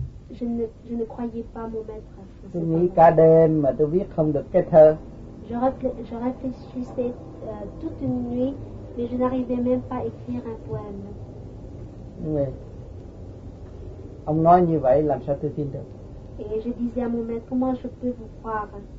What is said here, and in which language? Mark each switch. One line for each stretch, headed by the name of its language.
French: Je ne croyais pas mon maître.
Vietnamese: Tôi nghĩ cả đêm mà tôi viết không được cái thơ.
French: Je réfléchissais toute une nuit, mais je n'arrivais même pas à écrire un poème.
Vietnamese: Ông nói như vậy làm sao tôi tin được?
French: Et je disais à mon maître, comment je peux vous croire?